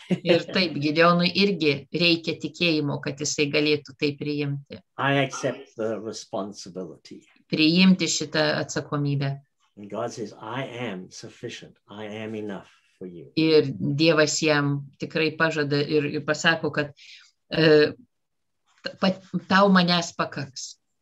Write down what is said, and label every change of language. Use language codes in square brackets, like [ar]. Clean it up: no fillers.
[lt] Ir taip, Gideonui irgi reikia tikėjimo, kad jisai galėtų tai priimti. [en] I accept the responsibility. [lt] Priimti šitą atsakomybę. [en] And God says, I am sufficient. I am enough for you. [lt] Ir Dievas jam tikrai pažada ir pasako, kad tau manęs pakaks.